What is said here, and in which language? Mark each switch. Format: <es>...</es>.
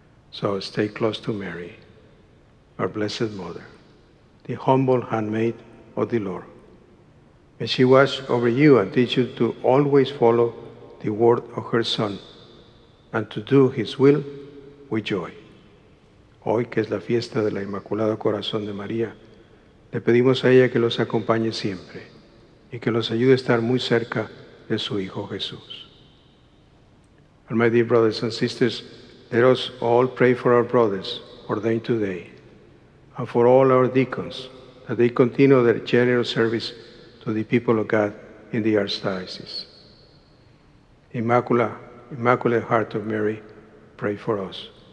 <en>So stay close to Mary, our Blessed Mother, the humble handmaid of the Lord. May she watch over you and teach you to always follow the word of her Son and to do His will with joy.</en> <es>Hoy, que es la fiesta del Inmaculado Corazón de María, le pedimos a ella que los acompañe siempre y que los ayude a estar muy cerca de su Hijo Jesús.</es> <en>And my dear brothers and sisters, let us all pray for our brothers ordained today and for all our deacons, that they continue their generous service to the people of God in the Archdiocese. Immaculate Heart of Mary, pray for us.</en>